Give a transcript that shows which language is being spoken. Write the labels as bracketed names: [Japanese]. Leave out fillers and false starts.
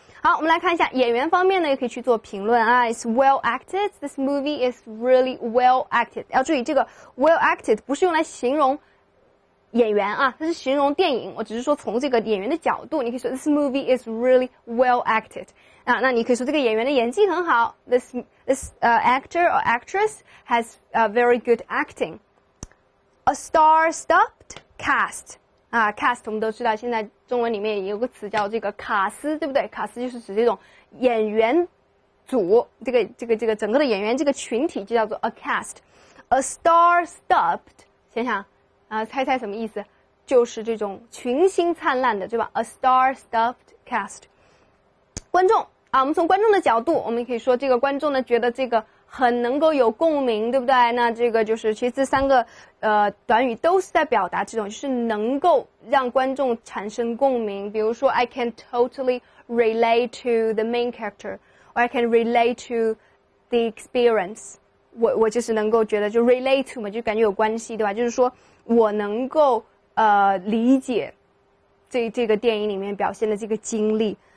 [Chinese] 好，我们来看一下演员方面呢，也可以去做评论啊。 [English] It's well acted. This movie is really well acted. [Chinese] 要注意这个 well acted 不是用来形容演员啊，它是形容电影。我只是说从这个演员的角度，你可以说 [English] this movie is really well acted. [Chinese] 啊，那你可以说这个演员的演技很好。 [English] This actor or actress has a very good acting. A star-studded cast. [Chinese] 啊 ，cast 我们都知道，现在中文里面也有个词叫这个卡斯，对不对？卡斯就是指这种演员组，这个整个的演员这个群体就叫做 a cast。 [English] A star studded， [Chinese] 想想啊，猜猜什么意思？就是这种群星灿烂的，对吧 ？ [English] A star studded cast。 [Chinese] 观众啊，我们从观众的角度，我们可以说这个观众呢觉得这个很能够有共鸣，对不对？那这个就是，其实这三个短语都是在表达这种，就是能够让观众产生共鸣。 [English] 比如说，I can totally relate to the main character, or I can relate to the experience. [Chinese] 我就是能够觉得就 relate to 嘛，就感觉有关系，对吧？就是说我能够理解这个电影里面表现的这个经历。